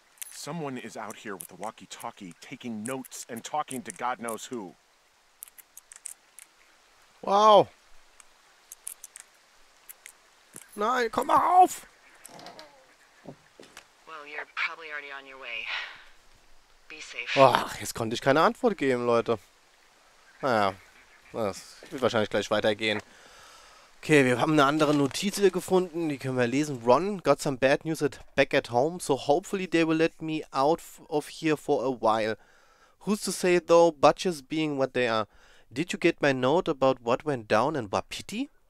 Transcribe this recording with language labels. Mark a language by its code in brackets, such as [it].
[en] Someone is out here with a walkie-talkie taking notes and talking to God knows who. Wow. [de] Nein, komm mal auf! [en] Well, you're probably already on your way. Be safe. [de] Ach, jetzt konnte ich keine Antwort geben, Leute. Naja, das wird wahrscheinlich gleich weitergehen. Okay, wir haben eine andere Notiz hier gefunden, die können wir lesen. [en] Ron, got some bad news at back at home, so hopefully they will let me out of here for a while. Who's to say though, butchers being what they are. Did you get my note about what went down in Wapiti?